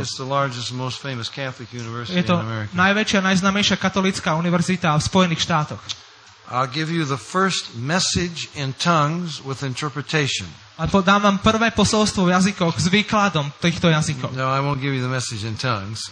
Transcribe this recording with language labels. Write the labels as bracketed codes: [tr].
[en] It's the largest, most famous Catholic university in America. [sk] Je to najväčšia, najznámejšia katolická univerzita v Spojených štátoch. [en] I'll give you the first message in tongues with interpretation. [sk] A to dám vám prvé posolstvo v jazykoch s výkladom týchto jazykov. [en] No, I won't give you the message in tongues.